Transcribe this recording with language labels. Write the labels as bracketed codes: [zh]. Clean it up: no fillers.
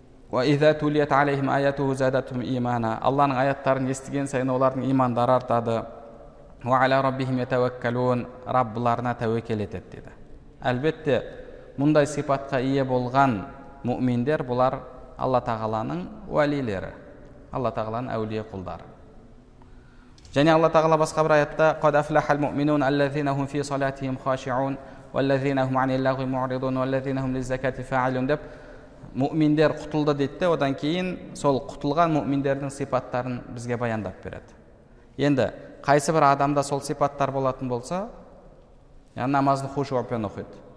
[ar] Ва иза тулият алейхим аятуху задатхум имана, [kk] Алланың аяттарын естіген сайын олардың имандары артады. [ar] Ва аля раббихим ятаваккалун, [kk] Раббыларына тәуекел етеді дейді. Әлбетте мұндай сипатқа ие болған мүминдер, бұлар Алла Тағаланың уәлилері, Алла Тағаланың әулие құлдары. Және Алла Тағала басқа бір аятта [ar] قد افلح المؤمنون الذين هم في صلاتهم خاشعون والذين هم عن اللغو معرضون والذين هم للزكاة فاعلون [kk] деп мؤминдер құтылды деді де, одан кейін сол құтылған мؤминдердің сипаттарын бізге баяндап береді. Енді қайсы бір адамда сол сипаттар болатын болса, яғни намазды хушуапен оқиды.